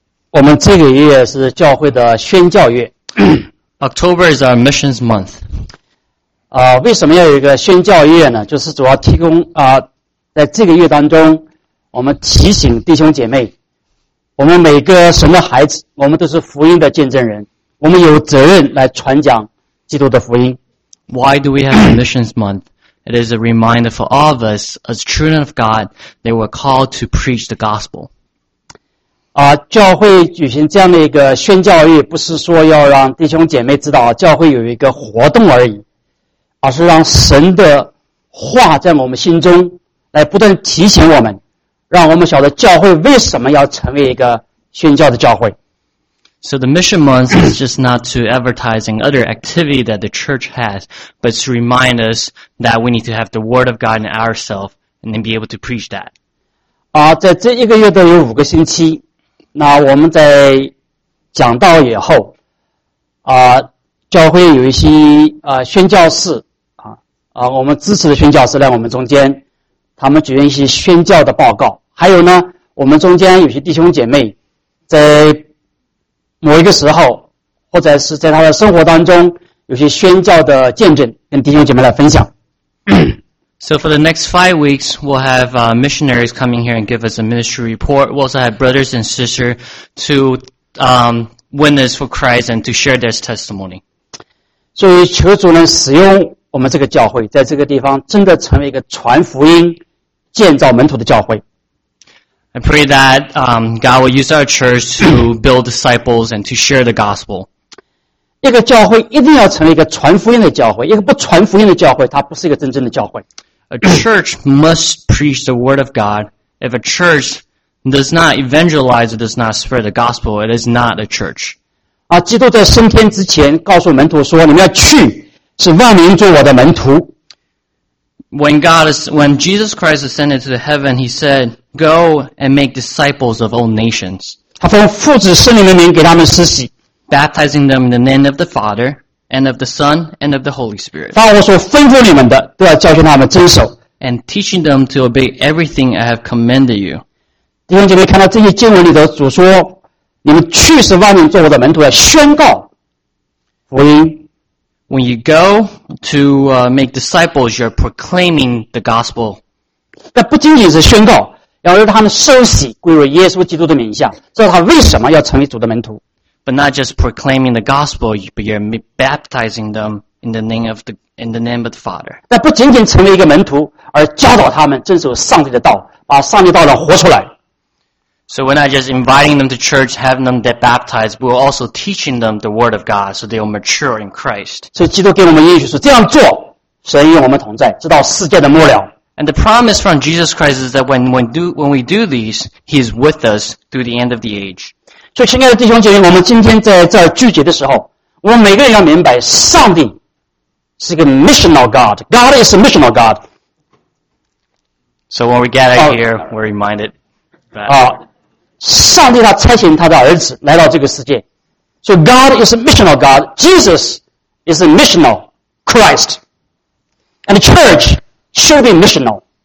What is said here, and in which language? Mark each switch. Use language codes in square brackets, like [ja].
[zh] 我们这个月是教会的宣教月。 [en] October is our missions month. [zh] 为什么要有一个宣教月呢？就是主要提供在这个月当中，我们提醒弟兄姐妹，我们每个神的孩子，我们都是福音的见证人，我们有责任来传讲基督的福音。 [en] Why do we have a missions month? It is a reminder for all of us, as children of God, they were called to preach the gospel. [zh] 教会举行这样的一个宣教育，不是说要让弟兄姐妹知道教会有一个活动而已，而是让神的话在我们心中来不断提醒我们，让我们晓得教会为什么要成为一个宣教的教会。 [en] So the mission month is just not to advertising other activity that the church has, but to remind us that we need to have the word of God in ourselves and then be able to preach that. [zh] 在这一个月都有五个星期，那我们在讲道以后，教会有一些宣教士，我们支持的宣教士在我们中间，他们举行一些宣教的报告。还有呢，我们中间有些弟兄姐妹在某一个时候，或者是在他的生活当中，有些宣教的见证，跟弟兄姐妹来分享。 [en] So for the next 5 weeks, we'll have missionaries coming here and give us a ministry report. We'll also have brothers and sisters to witness for Christ and to share their testimony. [zh] 所以求主能使用我们这个教会，在这个地方真的成为一个传福音、建造门徒的教会。 [en] I pray that God will use our church to build disciples and to share the gospel. [zh] 一个教会一定要成为一个传福音的教会，一个不传福音的教会，它不是一个真正的教会。 [en] A church must preach the word of God. If a church does not evangelize, does not spread the gospel, it is not a church. [zh] 基督在升天之前告诉门徒说：“你们要去，使万民做我的门徒。” [en] When Jesus Christ ascended to the heaven, he said,Go and make disciples of all nations. [zh] 他奉父子圣灵的名给他们施洗 [en] baptizing them in the name of the Father and of the Son and of the Holy Spirit. [zh] 把我所吩咐你们的都要教训他们遵守 [en] and teaching them to obey everything I have commanded you. [zh] 弟兄姐妹，看到这些经文里的主说，你们去使万民做我的门徒，要宣告福音。 [en] When you go to make disciples, you're proclaiming the gospel. [zh] 那不仅仅是宣告。要让他们受洗归入耶稣基督的名下，知道他为什么要成为主的门徒。 [en] But not just proclaiming the gospel, but you're baptizing them in the name of the Father. [zh] 但不仅仅成为一个门徒，而教导他们遵守上帝的道，把上帝道的活出来。 [en] So we're not just inviting them to church, having them get baptized, but we're also teaching them the word of God, so they'll mature in Christ. [zh] 所以基督给我们应许说，这样做，神与我们同在，直到世界的末了。 [en] And the promise from Jesus Christ is that when we do these, He is with us through the end of the age. [zh] 所以亲爱的弟兄姐妹，我们今天在这聚集的时候，我们每个人要明白，上帝是一个 [en] missional God. God is a missional God. So when we get out here, we're reminded. [zh] 上帝他差遣他的儿子来到这个世界。 [en] So God is a missional God. Jesus is a missional Christ. And the church,Should be missional.